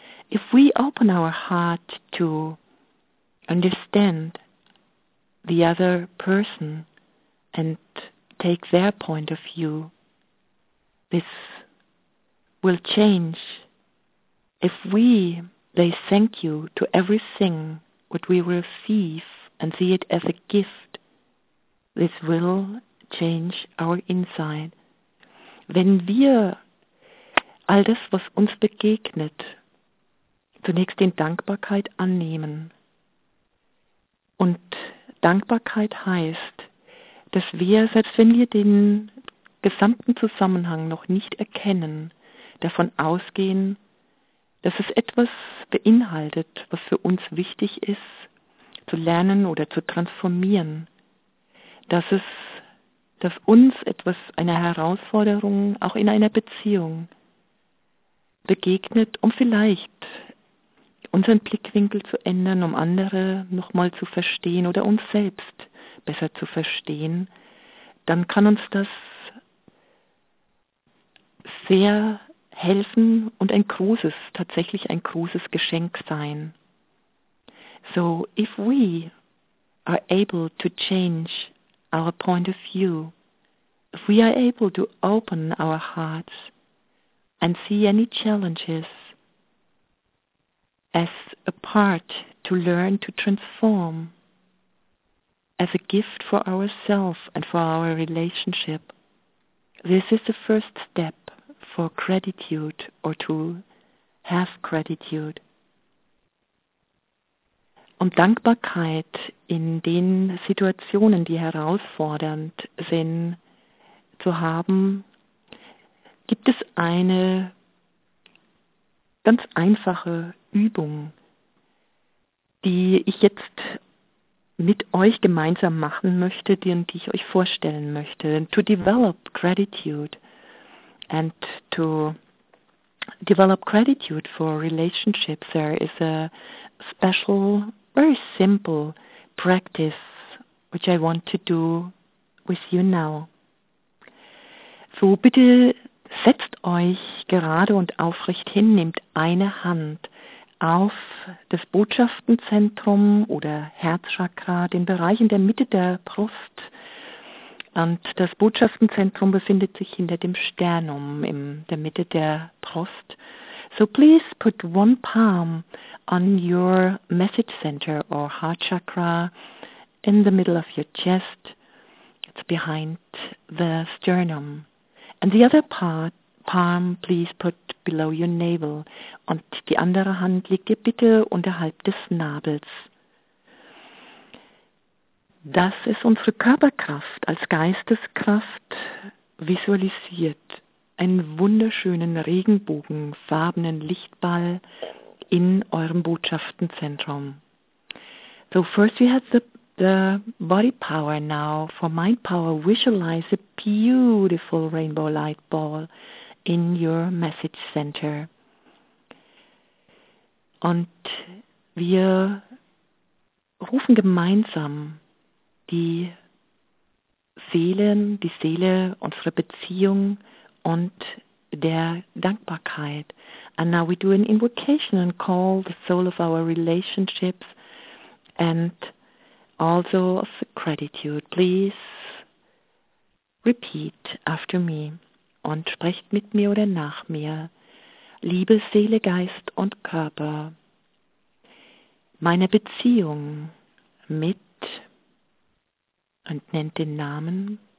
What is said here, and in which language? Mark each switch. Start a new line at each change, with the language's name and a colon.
English: If we open our heart to understand the other person and take their point of view, this will change. If we say thank you to everything what we receive and see it as a gift, this will change our inside.
German: Wenn wir all das, was uns begegnet, zunächst in Dankbarkeit annehmen. Und Dankbarkeit heißt, dass wir, selbst wenn wir den gesamten Zusammenhang noch nicht erkennen, davon ausgehen, dass es etwas beinhaltet, was für uns wichtig ist, zu lernen oder zu transformieren, dass uns etwas, eine Herausforderung, auch in einer Beziehung begegnet, um vielleicht unseren Blickwinkel zu ändern, um andere nochmal zu verstehen oder uns selbst besser zu verstehen, dann kann uns das sehr helfen und tatsächlich ein großes Geschenk sein.
English: So, if we are able to change our point of view, if we are able to open our hearts and see any challenges as a part to learn to transform, as a gift for ourselves and for our relationship, this is the first step for gratitude or to have gratitude.
German: Und Dankbarkeit in den Situationen, die herausfordernd sind, zu haben, gibt es eine ganz einfache Übung, die ich jetzt mit euch gemeinsam machen möchte, die ich euch vorstellen möchte.
English: To develop gratitude and to develop gratitude for relationships, there is a special, very simple practice, which I want to do with you now.
German: So bitte setzt euch gerade und aufrecht hin, nehmt eine Hand auf das Botschaftenzentrum oder Herzchakra, den Bereich in der Mitte der Brust. Und das Botschaftenzentrum befindet sich hinter dem Sternum in der Mitte der Brust.
English: So please put one palm on your message center or heart chakra in the middle of your chest. It's behind the sternum. And the other palm, please put below your navel.
German: Und die andere Hand legt ihr bitte unterhalb des Nabels. Das ist unsere Körperkraft als Geisteskraft visualisiert. einen wunderschönen regenbogenfarbenen Lichtball in eurem Botschaftenzentrum.
English: So first we have the body power. Now for mind power, visualize a beautiful rainbow light ball in your message center.
German: Und wir rufen gemeinsam die Seelen, die Seele unserer Beziehung und der Dankbarkeit.
English: And now we do an invocation and call the soul of our relationships and also of gratitude. Please repeat after me
German: und sprecht mit mir oder nach mir. Liebe Seele, Geist und Körper, meine Beziehung mit und nennt den Namen.